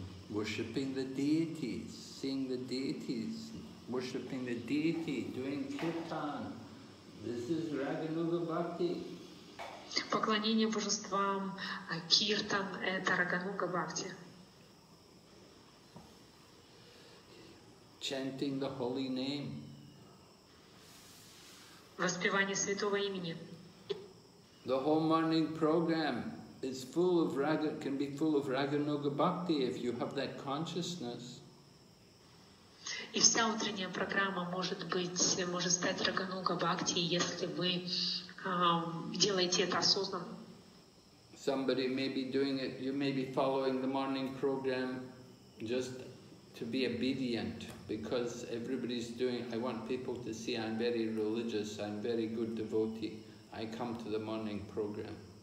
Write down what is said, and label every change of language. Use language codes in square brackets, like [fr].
[en] Worshipping the deities, seeing the deities, worshipping the deity, doing kirtan. This is Rāganuga Bhakti. [ru] Поклонение божествам, киртан – это Рагануга Бхакти. [en] Chanting the holy name. [ru] Воспевание святого имени. [en] The whole morning program is full of can be full of Рагануга Бхакти if you have that consciousness. [ru] И вся утренняя программа может стать Рагануга Бхакти, если вы делайте это осознанно. [en] Somebody may be doing it, you may be following the morning program just to be obedient, because everybody's doing it. I want people to see I'm very religious, I'm very good devotee. I come to the morning program.